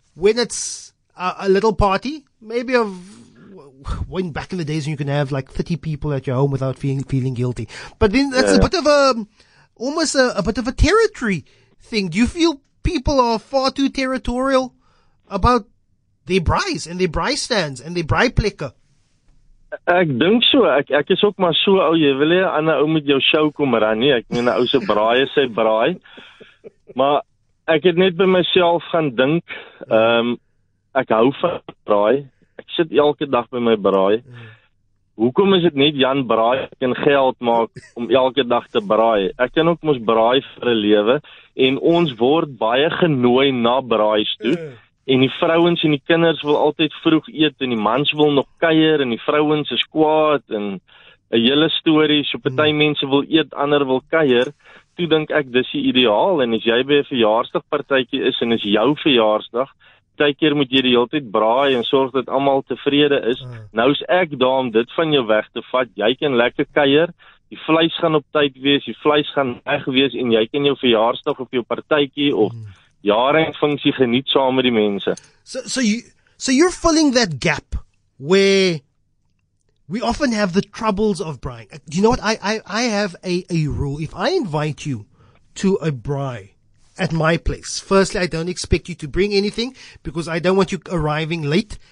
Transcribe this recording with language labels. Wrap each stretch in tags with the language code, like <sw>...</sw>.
<en>when it's a little party, maybe of when back in the days when you can have like 30 people at your home without feeling guilty. But then that's a bit of a territory thing. Do you feel people are far too territorial about their braais and their braai stands and their braai</en> <af>plekke? Ek dink so. Ek is ook maar so ou. Jy wil nie 'n ander ou met jou show kom ran nie. Ek meen 'n ou se braai is sy braai. Maar ek het net by myself gaan dink, ek hou van braai. Ek sit elke dag by my braai. Hoekom is dit net Jan braai kan geld maak om elke dag te braai? Ek kan ook mos braai vir 'n lewe en ons word baie genooi na braais toe. En die vrouens en die kinders wil altyd vroeg eet en die mans wil nog kuier en die vrouens is kwaad en 'n hele storie. So party mense wil eet, ander wil kuier. Toe dink ek dis die ideaal. En as jy by 'n verjaarsdagpartytjie is en is jou verjaarsdag, baie keer moet jy die hele tyd braai en sorg dat almal tevrede is. Nou is ek daar om dit van jou weg te vat. Jy kan lekker kuier. Die vleis gaan op tyd wees, die vleis gaan reg wees en jy kan jou verjaarsdag of jou partytjie of jaarfunksie geniet saam met die mense.</af> <en>So you're filling that gap where we often have the troubles of braaiing. You know what? I have a rule. If I invite you to a braai at my place, firstly, I don't expect you to bring anything because I don't want you arriving late.</en>